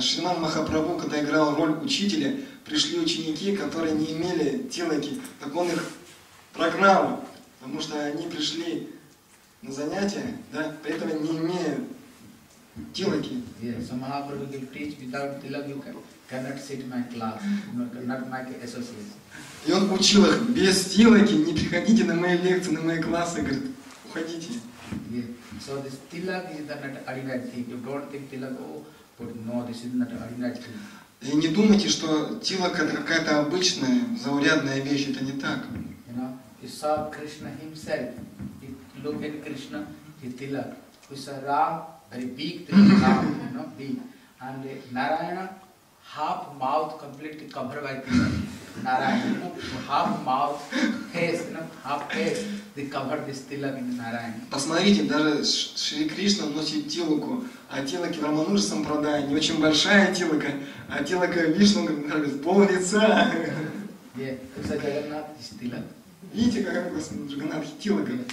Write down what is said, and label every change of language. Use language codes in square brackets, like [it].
[ru] Шриман Махапрабху, когда играл роль учителя, пришли ученики, которые не имели тилаки, так он их прогнал, потому что они пришли на занятия, да, при этом не имея тилаки. [en] Yes, so Mahaprabhu will teach without tilak, you can. Cannot sit my class, not my associates. [ru] И он учил их без тилаки, не приходите на мои лекции, на мои классы, говорит, уходите. [en] Yeah. So this tilak is not ordinary thing. You don't think tilak, but no, this is not ordinary thing. [ru] И не думайте, что тилак это какая-то обычная, заурядная вещь, это не так. [en] You know, you saw Krishna himself. You look at Krishna, he tilak. We saw Ram, very big tilak, you know, big. And Narayana. Half mouth completely covered by tilak. Narayana, half mouth, face, you know, half face, they cover this tilak in Narayana. [ru] Посмотрите, даже Шри Кришна носит тилаку, а тилаки в Рамануже Сампрадая не очень большая тилака, а тилака Вишну, говорит, пол лица. [en] Yeah, it's a Джаганнатх is tilak. [ru] Видите, как у вас Джаганнатх тилака?